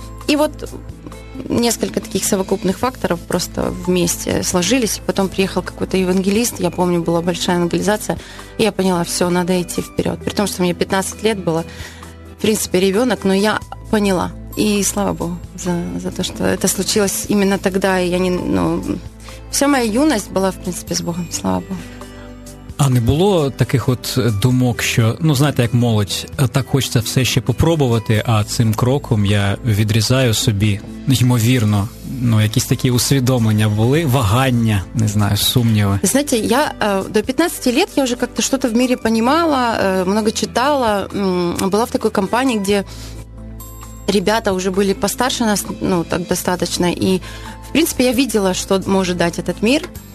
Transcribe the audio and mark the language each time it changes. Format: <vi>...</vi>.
<ru>И вот несколько таких совокупных факторов просто вместе сложились. И потом приехал какой-то евангелист, я помню, была большая евангелизация, и я поняла, все, надо идти вперед. При том, что мне 15 лет было, в принципе, ребенок, но я поняла. И слава Богу за то, что это случилось именно тогда. И я не, ну, вся моя юность была, в принципе, с Богом. Слава Богу.</ru> <uk>А не було таких от думок, що, ну, знаєте, як молодь, так хочеться все ще попробувати, а цим кроком я відрізаю собі, ймовірно, ну, якісь такі усвідомлення були, вагання, не знаю, сумніви. Знаєте,</uk> <ru>я до 15 лет я вже как-то что-то в мире понимала, много читала, була в такой компании, где ребята уже были постарше нас, ну, так достаточно, и, в принципе, я видела, что может дать этот мир.</ru>